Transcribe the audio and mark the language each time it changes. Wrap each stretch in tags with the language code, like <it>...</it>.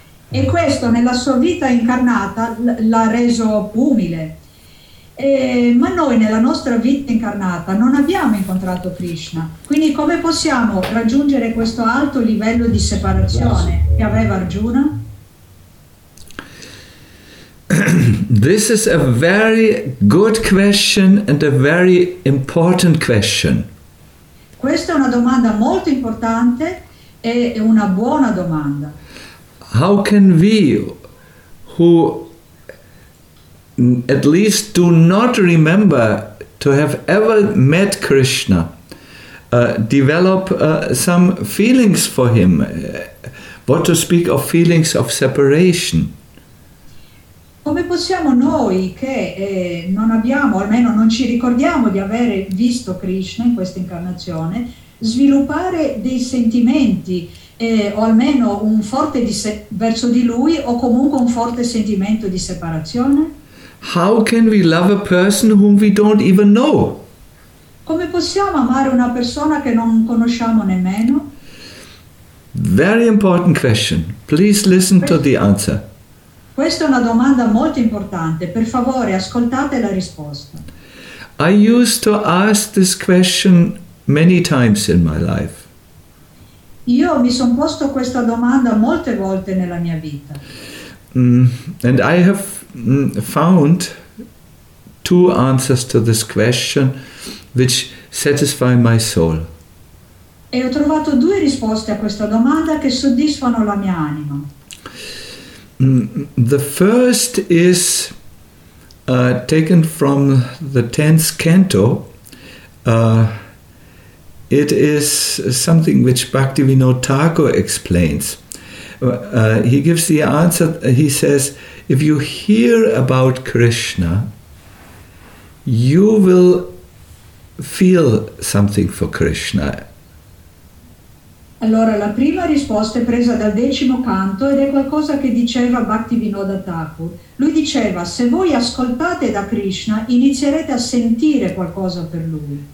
<it>E questo nella sua vita incarnata l'ha reso umile. Ma noi nella nostra vita incarnata non abbiamo incontrato Krishna. Quindi come possiamo raggiungere questo alto livello di separazione che aveva Arjuna?</it> <en>This is a very good question and a very important question.</en> <it>Questa è una domanda molto importante e una buona domanda.</it> <en>How can we, who at least do not remember to have ever met Krishna, develop some feelings for him? What to speak of feelings of separation?</en> <it>Come possiamo noi che non abbiamo, almeno non ci ricordiamo di aver visto Krishna in questa incarnazione, sviluppare dei sentimenti? O almeno un forte verso di lui o comunque un forte sentimento di separazione?</it> <en>How can we love a person whom we don't even know?</en> <it>Come possiamo amare una persona che non conosciamo nemmeno?</it> <en>Very important question. Please listen to the answer.</en> <it>Questa è una domanda molto importante. Per favore, ascoltate la risposta.</it> <en>I used to ask this question many times in my life.</en> <it>Io mi sono posto questa domanda molte volte nella mia vita.</it> <en>And I have found two answers to this question which satisfy my soul.</en> <it>E ho trovato due risposte a questa domanda che soddisfano la mia anima.</it> <en>The first is taken from the 10th canto. It is something which Bhaktivinoda Thakur explains. He gives the answer, he says, if you hear about Krishna, you will feel something for Krishna.</en> <it>Allora, la prima risposta è presa dal decimo canto ed è qualcosa che diceva Bhaktivinoda Thakur. Lui diceva, se voi ascoltate da Krishna, inizierete a sentire qualcosa per lui.</it>